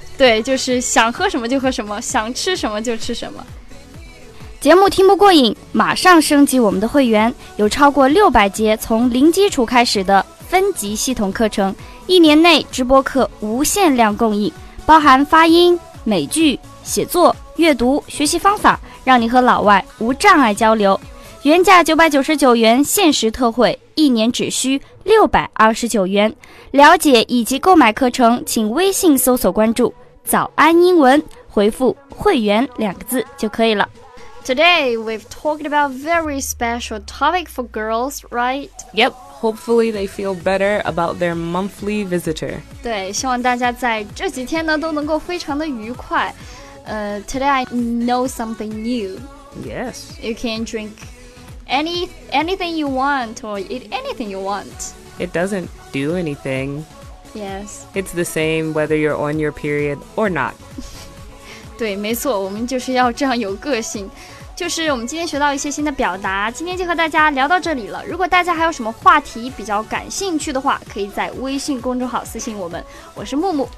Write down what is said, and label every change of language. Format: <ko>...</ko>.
<zh>对就是想喝什么就喝什么想吃什么就吃什么节目听不过瘾马上升级我们的会员有超过600节从零基础开始的分级系统课程一年内直播课无限量供应包含发音美剧写作阅读学习方法让你和老外无障碍交流原价999元限时特惠一年只需629元了解以及购买课程请微信搜索关注早安英文回复会员两个字就可以了</zh> <en>Today we've talked about very special topic for girls, right? Yep. Hopefully they feel better about their monthly visitor.</en> <zh>对，希望大家在这几天呢都能够非常的愉快。</zh> <en>Today I know something new. Yes. You can drink anything you want or eat anything you want. It doesn't do anything. Yes. It's the same whether you're on your period or not.</en> <zh>对，没错，我们就是要这样有个性。就是我们今天学到一些新的表达今天就和大家聊到这里了如果大家还有什么话题比较感兴趣的话可以在微信公众号私信我们我是木木</zh>